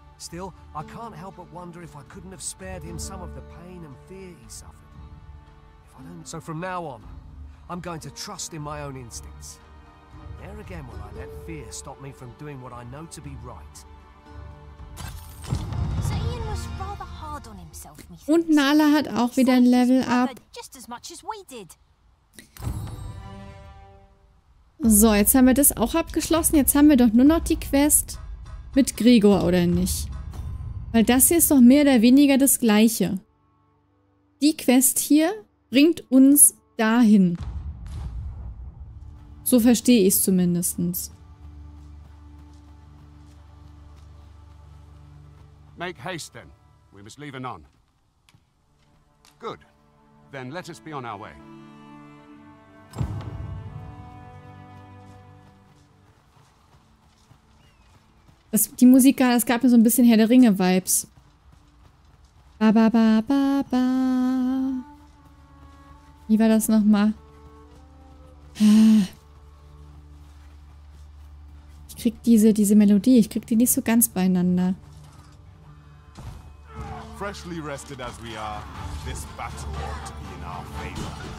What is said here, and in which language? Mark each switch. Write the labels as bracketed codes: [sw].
[en] Still, I can't help but wonder if I couldn't have spared him some of the pain and fear he suffered. So from now on, I'm going to trust in my own instincts. There again will I let fear stop me from doing what I know to be right. So Ian was rather hard on himself, methinks. [de] Und Nala hat auch wieder ein Level up. [en] Just as much as we did. [de] So, jetzt haben wir das auch abgeschlossen. Jetzt haben wir doch nur noch die Quest mit Gregor, oder nicht? Weil das hier ist doch mehr oder weniger das Gleiche. Die Quest hier bringt uns dahin. So verstehe ich es zumindest. [en] Make haste then. We must leave anon. Good. Then let us be on our way. [de] Das, die Musik, es gab mir so ein bisschen Herr der Ringe-Vibes. Ba ba ba ba ba. Wie war das nochmal? Ich krieg diese Melodie, ich krieg die nicht so ganz beieinander. [en] Freshly rested as we are, this battle ought to be in our favor.